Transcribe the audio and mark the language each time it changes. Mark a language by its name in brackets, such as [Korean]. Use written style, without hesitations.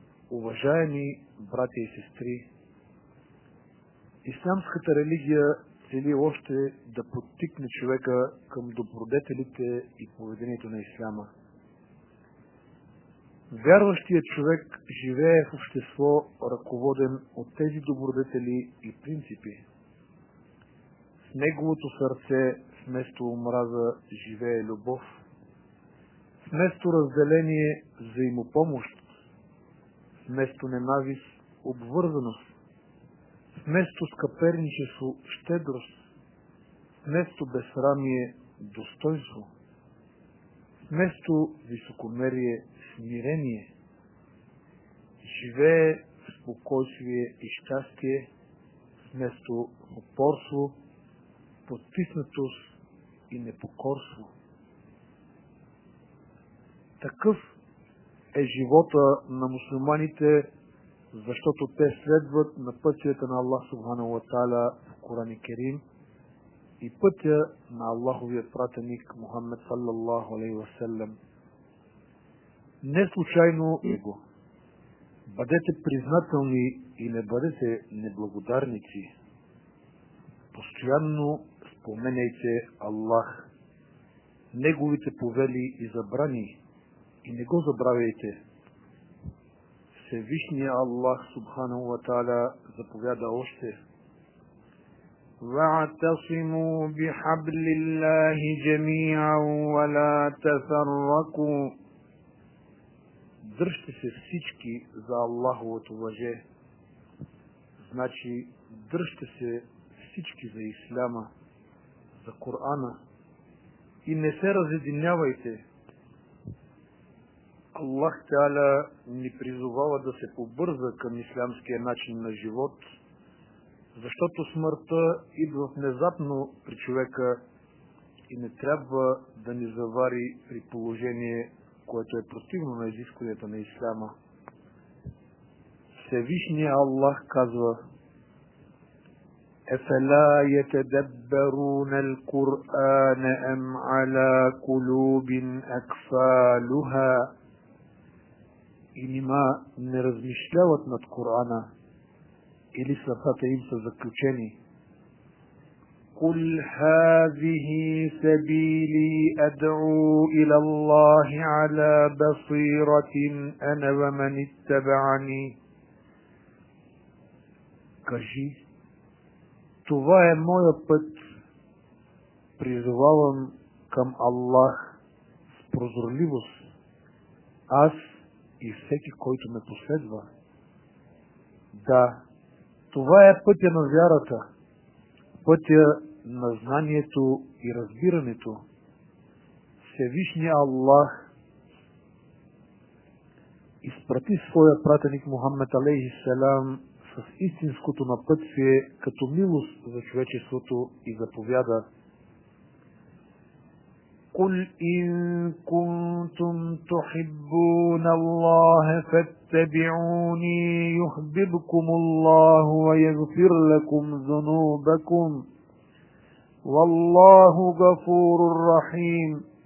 [Bulgarian] Уважаеми братя и сестри, ислямската религия цели още да подтикне човека към добродетелите и поведението на исляма. Вярващият човек живее в общество, ръководен от тези добродетели и принципи. С неговото сърце, вместо омраза, живее любов. Вместо разделение, взаимопомощ. Вместо ненавист, обвързаност. Вместо скъперничество, щедрост. Вместо безсрамие, достоинство. Вместо високомерие, смирение. Живее в спокойствие и щастие, вместо упорство, подтиснатост и непокорство. Такъв е живота на мусулманите, защото те следват на пътята на Аллах [Arabic] субханаху ва тааля [Bulgarian] в Куран и Керим и пътя на Аллаховия пратеник Мухаммед [Arabic] саллаллаху алейхи ва саллям. [Bulgarian] Не случайно его. Бъдете признателни и не бъдете неблагодарници. Постоянно споменяйте Аллах, неговите повели и забрани, и не го забравяйте. Всевишният Аллах [Arabic] субханаху ва тааля [Bulgarian] заповяда още: [Arabic] Ва'тасиму бихаблиллахи джамиан ва ла тафарраку. [Bulgarian] Дръжте се всички за Аллаховото въже. Значи, дръжте се всички за исляма, за Корана, и не се разединявайте. Аллах Тааля ни призовава да се побърза към ислямския начин на живот, защото смъртта идва внезапно при човека и не трябва да ни завари при положение, което е противно на изискванията на исляма. Всевишният Аллах казва: [Arabic] Ефеля йетедабберун ал-Куран ам аля кулубин акфалуха. [Bulgarian] И нима не размишляват над Корана, или сърцата им са заключени. [Arabic] قل هذه سبيلي أدعو إلى الله على بصيرة أنا ومن اتبعني. [Bulgarian] Кажи, това е моя път. Призовавам към Аллах с прозорливост. Аз и всеки, който ме последва. Да, това е пътя на вярата. Пътя на знанието и разбирането. Всевишният Аллах изпрати своя пратеник Мухаммед алейхи салям с истинското напътствие като милост за човечеството и заповяда: [Arabic] قل إن كنتم تحبون الله فاتبعوني يحببكم الله ويغفر لكم ذنوبكم والله غفور رحيم.